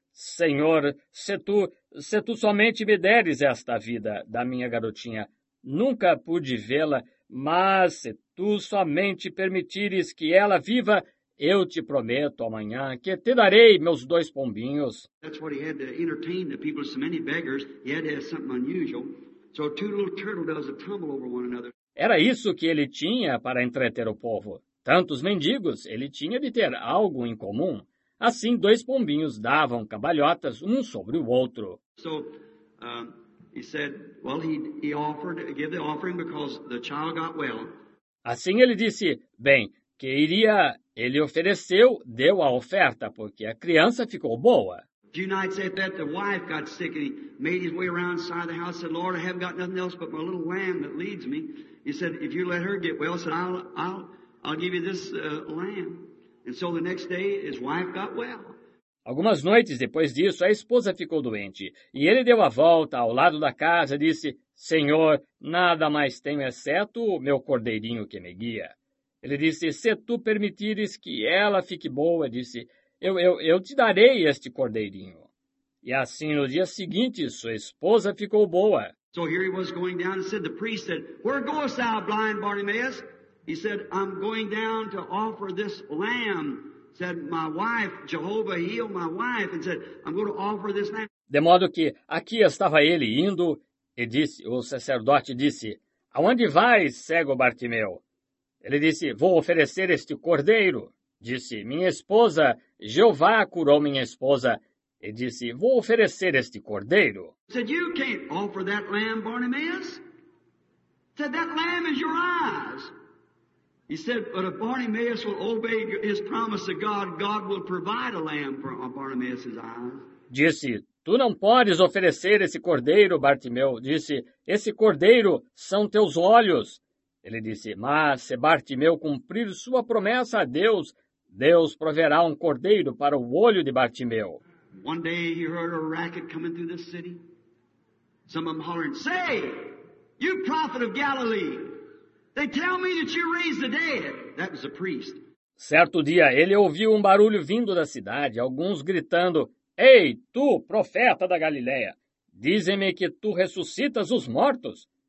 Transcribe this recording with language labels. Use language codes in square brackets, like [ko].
[pt] Senhor, se tu somente me deres esta vida da minha garotinha, nunca pude vê-la, mas se tu somente permitires que ela viva, eu te prometo amanhã que te darei meus dois pombinhos. [en] That's what he had to entertain the people, so many beggars, he had to have something unusual. So two little turtle doves would tumble over one another. [pt] Era isso que ele tinha para entreter o povo. Tantos mendigos, ele tinha de ter algo em comum. Assim, dois pombinhos davam cambalhotas um sobre o outro. [en] So, he said, well, he offered to give the offering because the child got well. [pt] Assim, ele disse, bem, que iria, ele ofereceu, deu a oferta, porque a criança ficou boa. [en] Junites said that the wife got sick and he made his way around the side of the house and said, Lord, I haven't got nothing else but my little lamb that leads me. He said, if you let her get well, he said, I'll give you this lamb. And so the next day, his wife got well. [pt] Algumas noites depois disso, a esposa ficou doente, e ele deu a volta ao lado da casa e disse, Senhor, nada mais tenho exceto o meu cordeirinho que me guia. Ele disse, se tu permitires que ela fique boa, disse, eu te darei este cordeirinho. E assim, no dia seguinte, sua esposa ficou boa. [en] So here he was going down and said, the priest said, where goest thou, blind Bartimaeus? He said, I'm going down to offer this lamb. Said, my wife, Jehovah healed my wife, and said, I'm going to offer this lamb. [pt] De modo que aqui estava ele indo, e disse, o sacerdote disse, aonde vais, cego Bartimeu? Ele disse, vou oferecer este cordeiro. Disse, minha esposa, Jeová curou minha esposa. E disse, vou oferecer este cordeiro. [en] Said, you can't offer that lamb, Bartimaeus. Said, that lamb is your eyes. He said, but if Bartimaeus will obey his promise to God, God will provide a lamb for Bartimaeus' eyes. [pt] Disse, tu não podes oferecer esse cordeiro, Bartimeu. Disse, esse cordeiro são teus olhos. Ele disse, mas se Bartimeu cumprir sua promessa a Deus, Deus proverá um cordeiro para o olho de Bartimeu. [en] One day he heard a racket coming through the city. Some of them hollering, say, you prophet of Galilee. They tell me that you raised the dead. That was a priest. [pt] Certo dia, ele ouviu um barulho vindo da cidade, alguns gritando, Ei, tu, profeta da Galileia, dizem-me que tu ressuscitas os mortos.